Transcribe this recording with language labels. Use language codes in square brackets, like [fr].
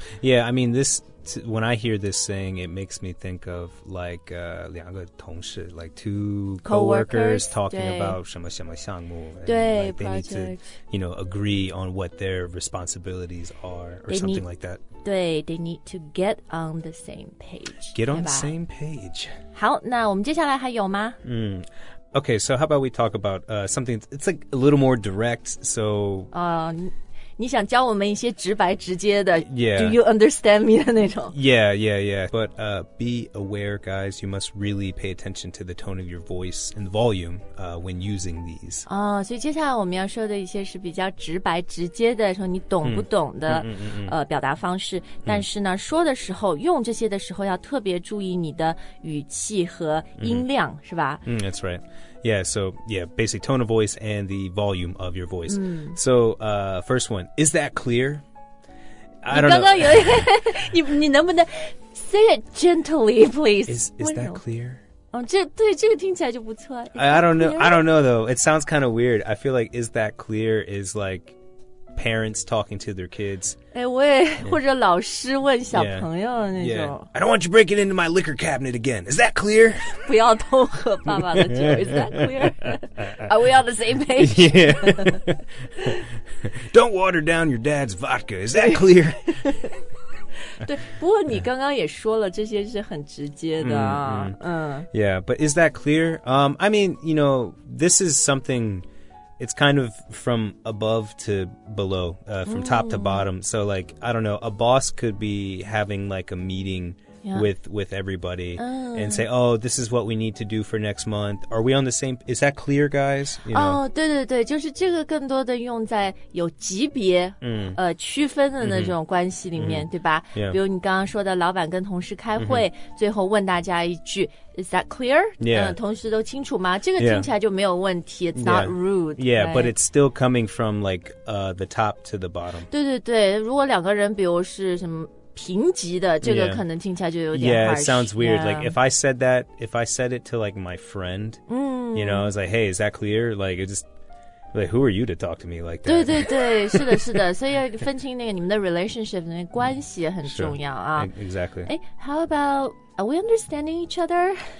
[en] Yeah, I mean this When I hear this saying It makes me think of like [zh] 两个同事 [en] Like two co-workers talking about [zh] 什么什么项目对、 [en] like、They need to you know, agree on what their responsibilities are Or something like that 对 they need to get on the same page. Get on the same page. [zh] 好那我们接下来还有吗、 [en] Okay, so how about we talk about、something, it's like a little more direct, so...、 [zh] 你想教我们一些直白直接的 [en] yeah, Do you understand me [zh] 的那种 [en] Yeah, yeah, yeah. But、be aware, guys, you must really pay attention to the tone of your voice and volume、when using these.、 [zh] 所以接下来我们要说的一些是比较直白直接的说你懂不懂的、表达方式。但是呢说的时候用这些的时候要特别注意你的语气和音量、是吧、 [en] That's right. Yeah, so, yeah, basic tone of voice and the volume of your voice.、So, first one, is that clear? I don't know. [zh] 你能不能 [en] say it gently, please? Is that clear? [zh] 对这个听起来就不错。 [en] I don't know, though. It sounds kind of weird. I feel like is that clear is like... parents talking to their kids. [zh] 哎，我也或者老师问小朋友那种。 [en] Yeah. I don't want you breaking into my liquor cabinet again. Is that clear? [zh] 不要偷喝爸爸的酒。 [en] Is that clear? Are we on the same page? Yeah. Don't water down your dad's vodka. Is that clear? [zh] 对，不过你刚刚也说了，这些是很直接的啊。 [en] Yeah, but is that clear? I mean, you know, this is something... It's kind of from above to below,、from top to bottom. So, like, I don't know, a boss could be having, like, a meeting with everybody and say, oh, this is what we need to do for next month. Are we on the same? Is that clear, guys? You know? [zh] 对对对，就是这个更多的用在有级别、区分的那种关系里面、对吧、 [en] yeah. [zh] 比如你刚刚说的老板跟同事开会、最后问大家一句 [en] Is that clear? Yeah. [zh] 同事都清楚吗？这个听起来就没有问题。 [en] It's not rude. Yeah, yeah, but it's still coming from like, the top to the bottom. [zh] 对对对，如果两个人比如是什么平级的，这个可能听起来就有点 [en] harsh. Yeah, it sounds weird. Yeah. Like, if I said it to like my friend, you know, I was like, hey, is that clear? Like, it justLike, who are you to talk to me like that? [zh] 对对对，是的，是的。所以分清那个你们的 relationship 那关系也很重要啊。 [en] Sure. Exactly. How about, are we understanding each other?